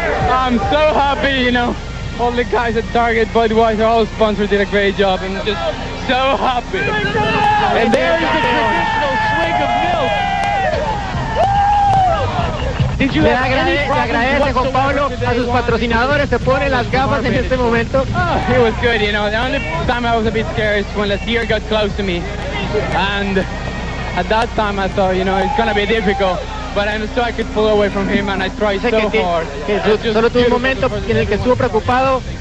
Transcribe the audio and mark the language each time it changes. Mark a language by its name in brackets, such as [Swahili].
[English] I'm so happy, you know, all the guys at Target, Budweiser, all the sponsors did a great job, and just so happy. And there is the traditional swig of milk. [Spanish] Le agradece Juan Pablo a sus patrocinadores, se pone las gafas en este momento. [English] Oh, it was good, you know. The only time I was a bit scared is when the deer got close to me. And at that time I thought, you know, it's going to be difficult. But I understood I could pull away from him and I tried so hard. [Spanish] Solo tuve un momento en el que estuvo preocupado.